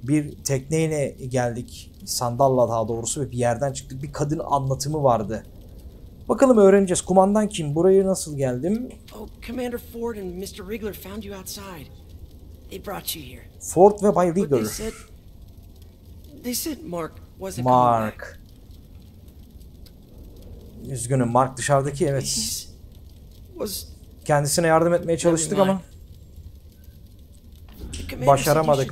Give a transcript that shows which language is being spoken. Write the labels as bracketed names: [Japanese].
[Turkish] Bir tekneyle geldik. Sandalla daha doğrusu, ve bir yerden çıktık. Bir kadın anlatımı vardı. Bakalım öğreneceğiz. Kumandan kim? Buraya nasıl geldim? [English] Oh, Commander Ford and Mr. Riegler found you outside. They brought you here. [Turkish] Ford ve Bay Riegler. [English] They said Mark wasn't coming. Mark. [Turkish] Üzgünüm, Mark dışarıdaki, evet. Kendisine yardım etmeye çalıştık ama başaramadık